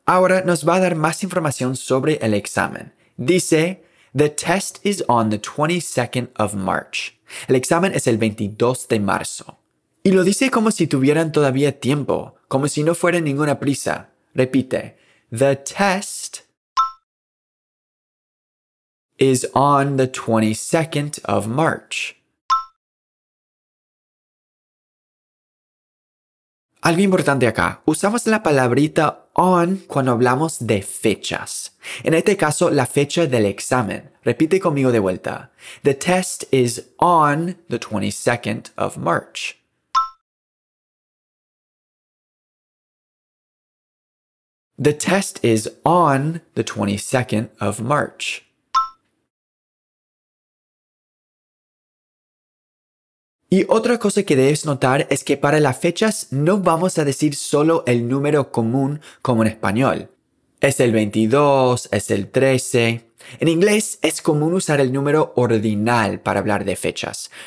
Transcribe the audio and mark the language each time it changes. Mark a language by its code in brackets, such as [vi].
[es] Ahora nos va a dar más información sobre el examen. Dice, [en] the test is on the 22nd of March. [es] El examen es el 22 de marzo. Y lo dice como si tuvieran todavía tiempo, como si no fuera ninguna prisa. Repite, [en] the test is on the 22nd of March. [es] Algo importante acá, usamos la palabrita on cuando hablamos de fechas. En este caso, la fecha del examen. Repite conmigo de vuelta. [en] The test is on the 22nd of March. The test is on the 22nd of March. [es] Y otra cosa que debes notar es que para las fechas no vamos a decir solo el número común como en español. Es el 22, es el 13. En inglés es común usar el número ordinal para hablar de fechas.